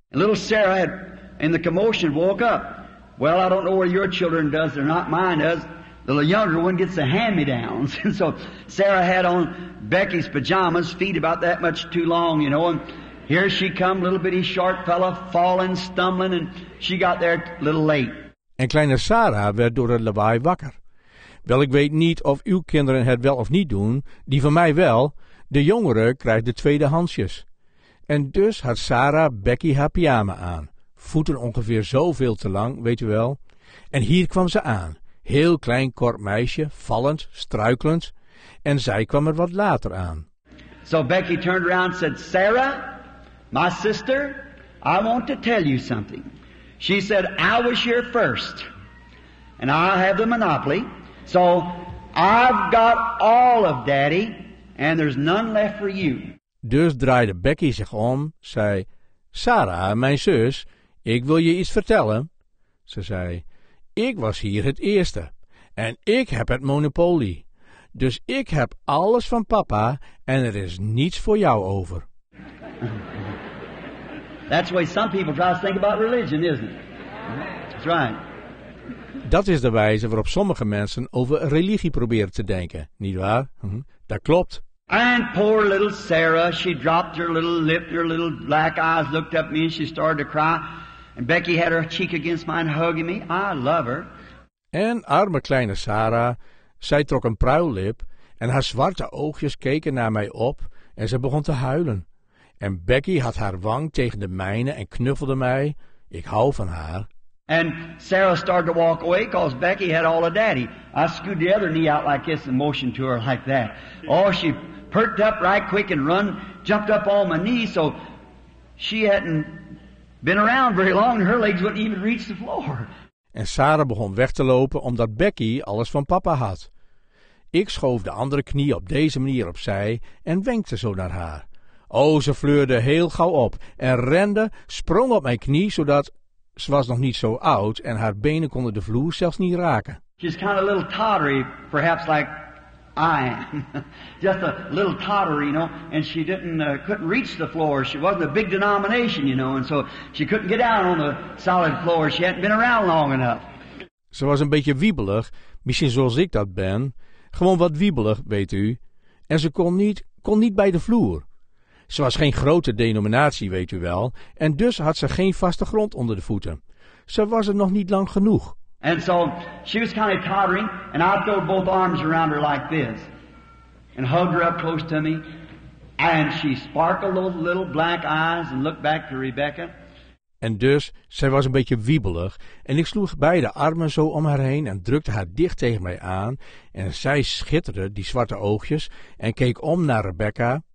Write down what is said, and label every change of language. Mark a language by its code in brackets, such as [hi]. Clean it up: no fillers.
[en] Little Sarah had, in the commotion, woke up. Well, I don't know what your children does, they're not mine does. The younger one gets the hand-me-downs. And so Sarah had on Becky's pajamas, feet about that much too long, you know. And here she come, little bitty short fella, falling, stumbling, and she got there a little late. [nl] En kleine Sarah werd door het lawaai wakker. Wel, ik weet niet of uw kinderen het wel of niet doen, die van mij wel. De jongere krijgt de tweede handjes. En dus had Sarah Becky haar pyjama aan. Voeten ongeveer zoveel te lang, weet u wel. En hier kwam ze aan. Heel klein, kort meisje, vallend, struikelend. En zij kwam er wat later aan. [en] So Becky turned around and said, "Sarah, my sister, I want to tell you something." She said, "I was here first. And I have the monopoly. So I've got all of daddy. And there's none left for you." [nl] Dus draaide Becky zich om, zei, "Sarah, mijn zus, ik wil je iets vertellen." Ze zei, "Ik was hier het eerste en ik heb het monopolie. Dus ik heb alles van papa en er is niets voor jou over." [en] That's the way some people try to think about religion, isn't it? That's right. [nl] Dat is de wijze waarop sommige mensen over religie proberen te denken, nietwaar? Dat klopt. [en] And poor little Sarah, she dropped her little lip, her little black eyes, looked up at me and she started to cry. And Becky had her cheek against mine, hugging me. I love her. [nl] En arme kleine Sarah, zij trok een pruillip en haar zwarte oogjes keken naar mij op en ze begon te huilen. En Becky had haar wang tegen de mijne en knuffelde mij. Ik hou van haar. [en] And Sarah started to walk away because Becky had all of daddy. I scooted the other knee out like this and motioned to her like that. Oh, she perked up right quick and run, jumped up on my knee, so she hadn't been around very long, her legs wouldn't even reach the floor. [nl] En Sarah begon weg te lopen omdat Becky alles van papa had. Ik schoof de andere knie op deze manier opzij en wenkte zo naar haar. Oh, ze fleurde heel gauw op en rende, sprong op mijn knie zodat ze was nog niet zo oud en haar benen konden de vloer zelfs niet raken. [en] She's kind of a little tottery, perhaps like I am. Just a little totter, you know, and she couldn't reach the floor. She wasn't a big denomination, you know, and so she couldn't get down on the solid floor. She hadn't been around long enough. [nl] Ze was een beetje wiebelig, misschien zoals ik dat ben. Gewoon wat wiebelig, weet u. En ze kon niet bij de vloer. Ze was geen grote denominatie, weet u wel, en dus had ze geen vaste grond onder de voeten. Ze was er nog niet lang genoeg. [en] And so she was kind of tottering, and I threw both arms around her like this and hugged her up close to me, and she sparkled those little black eyes and looked back to Rebecca. [nl] En dus, zij was een beetje wiebelig, en ik sloeg beide armen zo om haar heen en drukte haar dicht tegen mij aan, en zij schitterde, die zwarte oogjes, en keek om naar Rebecca.